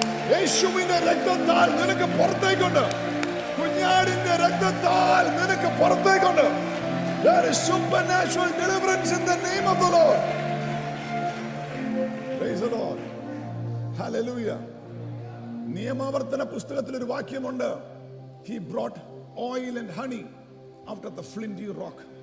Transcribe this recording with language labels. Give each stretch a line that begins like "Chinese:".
Malayalam: യേശുവിന്റെ രക്തത്താൽ നിനക്ക് പുറത്തേക്കുണ്ട്. കുഞ്ഞാടിന്റെ രക്തത്താൽ നിനക്ക് പുറത്തേക്കുണ്ട്.
English: There is supernatural deliverance in the name of the Lord. Praise the Lord. Hallelujah.
Malayalam: നിയമാവർത്തന പുസ്തകത്തിൽ ഒരു വാക്യമുണ്ട്.
English: He brought oil and honey after the flinty rock.